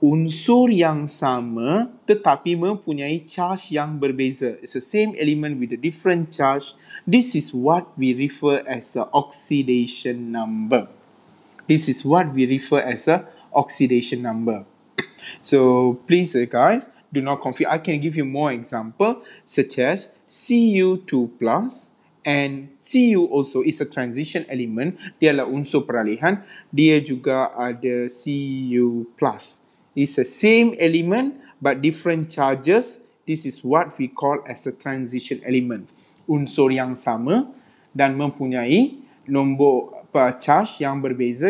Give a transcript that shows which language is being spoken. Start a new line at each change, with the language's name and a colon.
Malay: Unsur yang sama tetapi mempunyai charge yang berbeza.
English: It's the same element with a different charge. This is what we refer as a oxidation number. This is what we refer as a oxidation number. So, please guys, do not confuse. I can give you more example such as Cu2+. And Cu also is a transition element.
Malay: Dia adalah unsur peralihan. Dia juga ada
English: Cu+. It's the same element but different charges. This is what we call as a transition element.
Malay: Unsur yang sama dan mempunyai nombor charge yang berbeza.